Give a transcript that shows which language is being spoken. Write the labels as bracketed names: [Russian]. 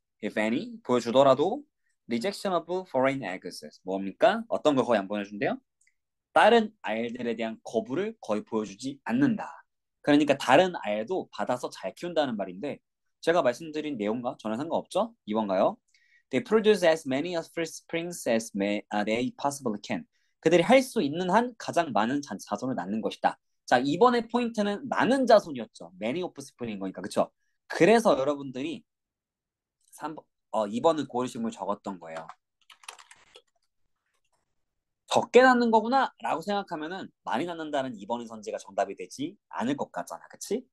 [English] If any [Korean] 보여주더라도 [English] rejection of foreign eggs. [Korean] 뭡니까? 어떤 걸 거의 안 보여준대요? 다른 알들에 대한 거부를 거의 보여주지 않는다. 그러니까 다른 알도 받아서 잘 키운다는 말인데 제가 말씀드린 내용과 전혀 상관없죠? 2번가요? [English] They produce as many offsprings as they possibly can. [Korean] 그들이 할수 있는 한 가장 많은 자손을 낳는 것이다. 자, 이번에 포인트는 많은 자손이었죠. [English] Many offspring [Korean] 인 거니까. 그렇죠? 그래서 여러분들이 2번을 고르심을 적었던 거예요. 적게 낳는 거구나 라고 생각하면은 많이 낳는다는 2번의 선지가 정답이 되지 않을 것 같잖아. 그치?